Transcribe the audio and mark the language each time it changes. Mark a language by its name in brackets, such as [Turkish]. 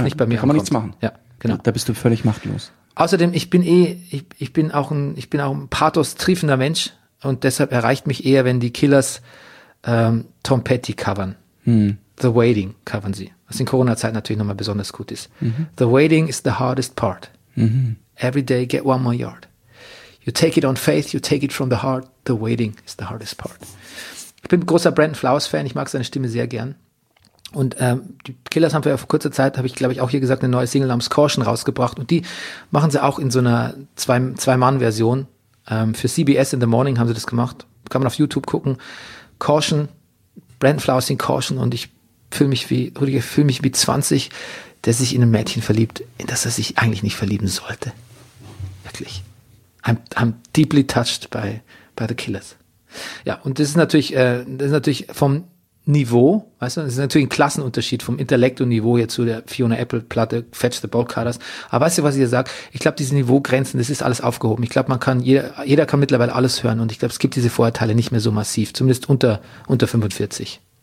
[German] ankommt. Kann man nichts machen. Ja. Genau. Da bist du völlig machtlos. Außerdem, ich bin auch ein pathos-triefender Mensch und deshalb erreicht mich eher, wenn die Killers Tom Petty covern. The Waiting covern sie. Was in Corona-Zeit natürlich nochmal besonders gut ist. [English] The Waiting is the hardest part. Every day get one more yard. You take it on faith, you take it from the heart. The Waiting is the hardest part. [German] Ich bin großer Brandon Flowers-Fan, ich mag seine Stimme sehr gern. Und die Killers haben vor kurzer Zeit, habe ich glaube ich auch hier gesagt, eine neue Single namens Caution rausgebracht. Und die machen sie auch in so einer Zwei-Mann-Version. Für CBS in the Morning haben sie das gemacht. Kann man auf YouTube gucken. Caution, Brandon Flowers in Caution. Und ich fühle mich wie 20, der sich in ein Mädchen verliebt, in das er sich eigentlich nicht verlieben sollte. Wirklich. [English] I'm deeply touched by the Killers. [German] Ja, und das ist natürlich vom Niveau, weißt du, das ist natürlich ein Klassenunterschied vom Intellekt und Niveau hier zu der Fiona Apple Platte Fetch the Ball Cutters. Aber weißt du, was ich hier sage? Ich glaube, diese Niveaugrenzen, das ist alles aufgehoben. Ich glaube, jeder kann mittlerweile alles hören und ich glaube, es gibt diese Vorurteile nicht mehr so massiv, zumindest unter 45.